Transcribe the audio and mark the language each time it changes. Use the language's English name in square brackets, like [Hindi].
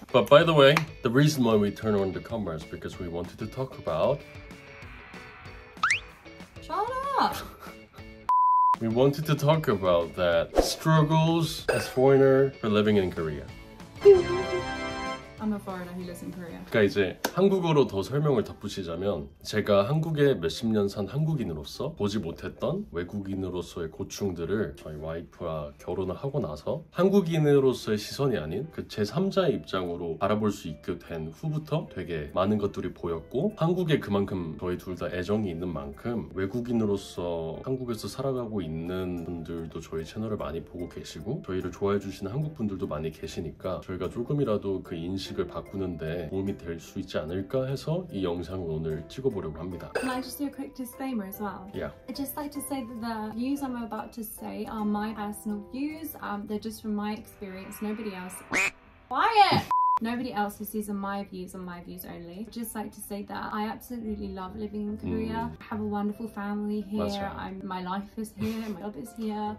[English] But by the way, the reason why we turn on the camera is because we wanted to talk about... Shut up! We wanted to talk about that struggles as foreigner for living in Korea. I'm a foreigner who lives in Korea. [Korean] 이제 한국어로 더 설명을 덧붙이자면 제가 한국에 몇십 년 산 한국인으로서 보지 못했던 외국인으로서의 고충들을 저희 와이프와 결혼을 하고 나서 한국인으로서의 시선이 아닌 그 제3자의 입장으로 바라볼 수 있게 된 후부터 되게 많은 것들이 보였고 한국에 그만큼 저희 둘 다 애정이 있는 만큼 외국인으로서 한국에서 살아가고 있는 분들도 저희 채널을 많이 보고 계시고 저희를 좋아해 주시는 한국 분들도 많이 계시니까 저희가 조금이라도 그 인 식을 바꾸는데 도움이 될 수 있지 않을까 해서 이 영상을 오늘 찍어보려고 합니다. [English] Can I just do a quick disclaimer as well? Yeah. I'd just like to say that the views I'm about to say are my personal views. They're just from my experience. Nobody else. Quiet. Nobody else. This is my views and my views only. Just like to say that I absolutely love living in Korea. I have a wonderful family here. My life is here. My job is here.